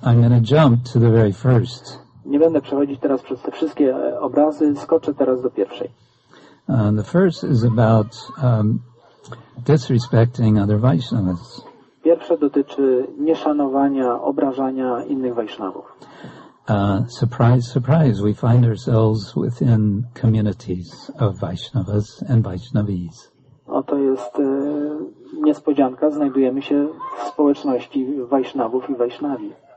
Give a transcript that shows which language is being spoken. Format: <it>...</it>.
<en>I'm going to jump to the very first.</en> <pl>Nie będę przechodzić teraz przez te wszystkie obrazy. Skoczę teraz do pierwszej.</pl> <en>The first is about disrespecting other Vaishnavas.</en> <pl>Pierwsze dotyczy nieszanowania, obrażania innych Vaishnavów.</pl> <en>Surprise, surprise, we find ourselves within communities of Vaishnavas and Vaishnavis.</en> <pl>Oto jest niespodzianka, znajdujemy się w społeczności Vaishnavów i Vaishnavi.</pl>